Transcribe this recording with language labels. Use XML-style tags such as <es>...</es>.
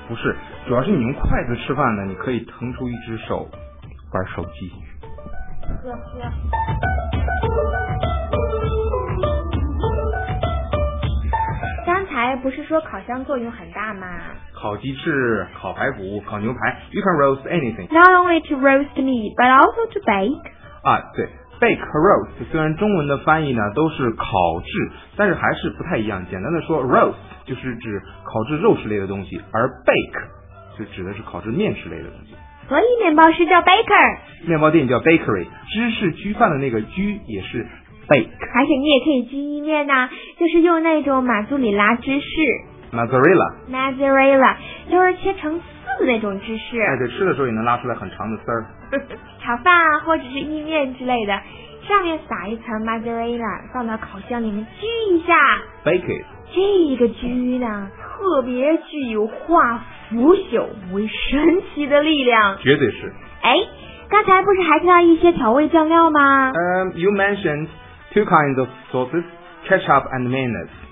<zh>不是，主要是你用筷子吃饭呢，你可以腾出一只手玩手机。刚才不是说烤箱作用很大吗？烤鸡翅、烤排骨、烤牛排</zh> <en>，You can roast anything. Not only to roast meat, but also to bake.</en> <zh>啊，对 ，bake 和 roast 虽然中文的翻译呢都是烤制，但是还是不太一样。简单的说 ，roast 就是指烤制肉食类的东西，而 bake 就指的是烤制面食类的东西。所以面包师叫 baker，面包店叫 bakery， 芝士焗饭的那个焗也是 bake。而且你也可以焗意面啊，就是用那种马苏里拉芝士</zh> <en>mozzarella</en> <zh>就是切成丝的那种芝士。哎，对，吃的时候也能拉出来很长的丝儿。炒饭啊或者是意面之类的，上面撒一层 mozzarella， 放到烤箱里面焗一下</zh> <en>bake it。</en> <zh>这个焗呢特别具有化腐朽为神奇的力量，绝对是。哎，刚才不是还提到一些调味酱料吗？</zh> <en>You mentioned two kinds of sauces, ketchup and mayonnaise.</en>